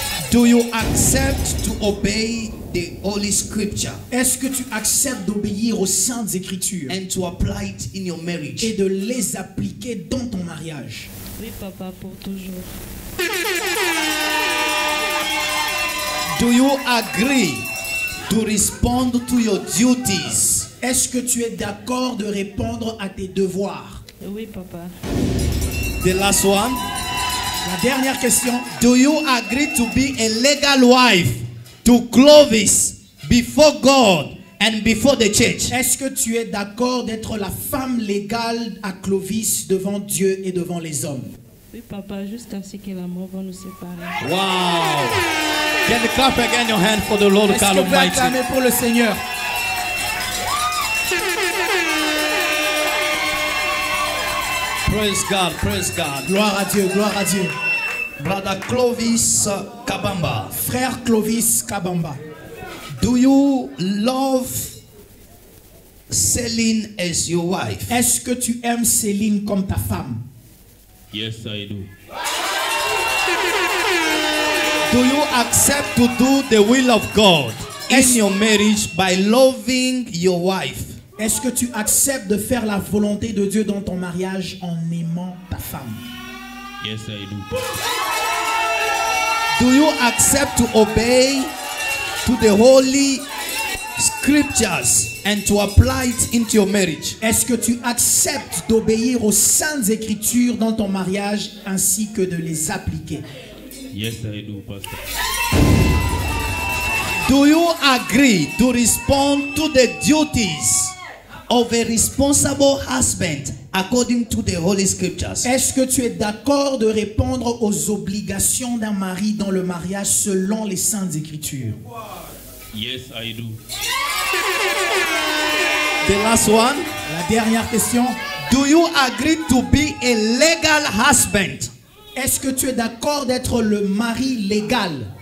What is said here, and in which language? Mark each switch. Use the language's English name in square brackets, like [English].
[English] Do you accept to obey the Holy Scripture? [French] Est-ce que tu acceptes d'obéir aux Saintes Écritures? [English] And to apply it in your marriage? [French] Et de les appliquer dans ton mariage? Oui, papa, pour toujours. [English] Do you agree to respond to your duties? [French] Est-ce que tu es d'accord de répondre à tes devoirs? Oui, papa. [English] The last one. [French] La dernière question. [English] Do you agree to be a legal wife to Clovis before God and before the church? [French] Est-ce que tu es d'accord d'être la femme légale à Clovis devant Dieu et devant les hommes? Oui, papa, jusqu'à ce que la mort va nous séparer. [English] Wow! Can you clap again your hand for the Lord God Almighty? [French] Est-ce que vous acclamez pour le Seigneur? [English] Praise God, praise God. [French] Gloire à Dieu, gloire à Dieu. [English] Brother Clovis Kabamba. [French] Frère Clovis Kabamba. [English] Do you love Céline as your wife? [French] Est-ce que tu aimes Céline comme ta femme? [English] Yes, I do. Do you accept to do the will of God in your marriage by loving your wife? [French] Est-ce que tu acceptes de faire la volonté de Dieu dans ton mariage en aimant ta femme? [English] Yes, I do. Do you accept to obey to the holy scriptures and to apply it into your marriage? [French] Est-ce que tu acceptes d'obéir aux saintes écritures dans ton mariage ainsi que de les appliquer? [English] Yes, I do, Pastor. Do you agree to respond to the duties of a responsible husband according to the holy scriptures? [French] Est-ce que tu es d'accord de répondre aux obligations d'un mari dans le mariage selon les saintes écritures? [English] Yes, I do. The last one. [French] La dernière question. [English] Do you agree to be a legal husband? [French] Est-ce que tu es d'accord d'être le mari légal